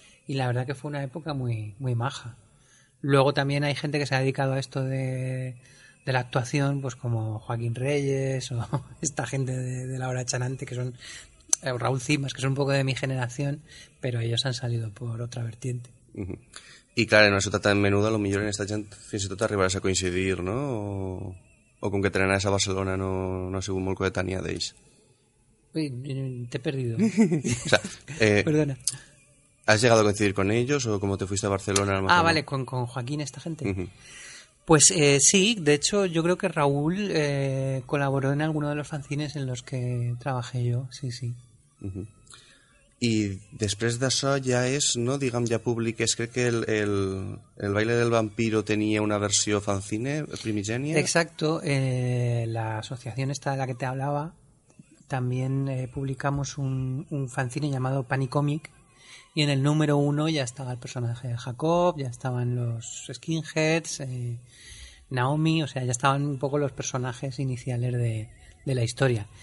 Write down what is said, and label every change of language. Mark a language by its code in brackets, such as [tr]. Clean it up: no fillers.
[es] Y la verdad que fue una época muy, muy maja. Luego también hay gente que se ha dedicado a esto de la actuación, pues como Joaquín Reyes o esta gente de la Hora Chanante, que son Raúl Cimas, que son un poco de mi generación, pero ellos han salido por otra vertiente. [ca] I clar, en una ciutat tan menuda, a lo millor en aquesta gent fins i tot arribaràs a coincidir, no? O com que trenaràs a Barcelona no ha sigut molt coetània d'ells. Ui, t'he perdido. Perdona. [es] ¿Has llegado a coincidir con ellos o como te fuiste a Barcelona? A lo mejor vale, con Joaquín, esta gente. Pues sí, de hecho, yo creo que Raúl colaboró en alguno de los fanzines en los que trabajé yo, sí, sí. [ca] I després d'això ja és, no, diguem, ja publiques, crec que el Baile del Vampiro tenia una versió fanzine primigenia. [es] Exacto, la asociación esta de la que te hablaba, también publicamos un fanzine llamado Panicomic, y en el número uno ya estaba el personaje de Jacob, ya estaban los skinheads, Naomi, o sea, ya estaban un poco los personajes iniciales de la historia.